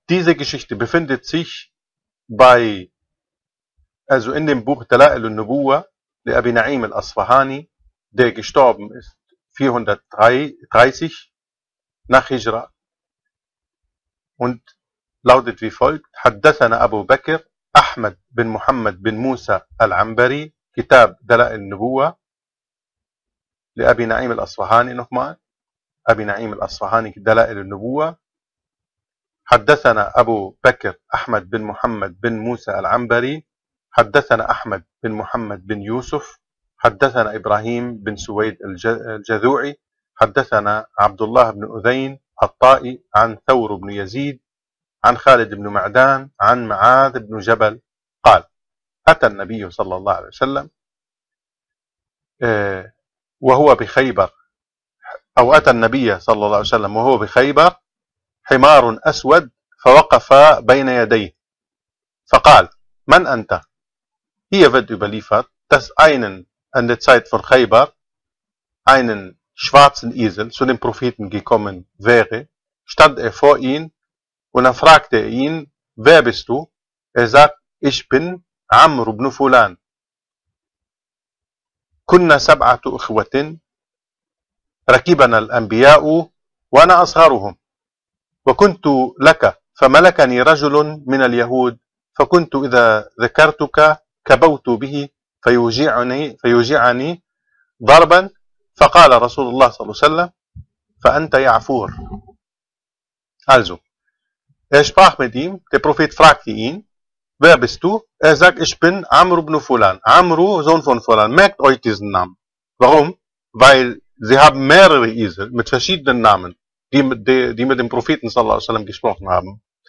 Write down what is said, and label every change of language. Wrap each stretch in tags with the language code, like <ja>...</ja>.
<de>diese Geschichte befindet sich in dem Buch Dalail al-Nubuwa der Abi Naim al-Asfahani, der gestorben ist 430 nach Hijra, und lautet wie folgt: Haddathana Abu Bakr Ahmad bin Muhammad bin Musa al-Ambari, Kitab Dalail al-Nubuwa der Abi Naim al-Asfahani, nochmal Abi Naim al-Asfahani, Dalail al-Nubuwa.</de> <ar>حدثنا أبو بكر أحمد بن محمد بن موسى العنبري حدثنا أحمد بن محمد بن يوسف حدثنا إبراهيم بن سويد الجذوعي حدثنا عبد الله بن أذين الطائي عن ثور بن يزيد عن خالد بن معدان عن معاذ بن جبل قال أتى النبي صلى الله عليه وسلم وهو بخيبر أو أتى النبي صلى الله عليه وسلم وهو بخيبر حمار أسود فوقف بين يديه فقال من أنت؟ هي</ar> <de>wird überliefert, dass einen an der Zeit von Khaybar einen schwarzen Esel zu dem Propheten gekommen wäre, stand er vor ihn und dann fragte er ihn, wer bist du? Er sagt, ich bin Amr ibn Fulan.</de> <ar>كنا سبعة أخوة ركبنا الأنبياء وأنا أصغرهم وكنت لك فملكني رجل من اليهود فكنت إذا ذكرتك كبوت به فيوجعني ضربا فقال رسول الله صلى الله عليه وسلم فأنت يعفور.</ar> <de>Also, er sprach mit ihm, der Prophet fragte ihn, wer bist du? Er sagt, ich bin Amr ibn Fulan. Amr, Sohn von Fulan. Merkt euch diesen Namen. Warum? Weil sie haben mehrere Esel mit verschiedenen Namen, die mit dem Propheten sallallahu alaihi wasallam gesprochen haben.</de>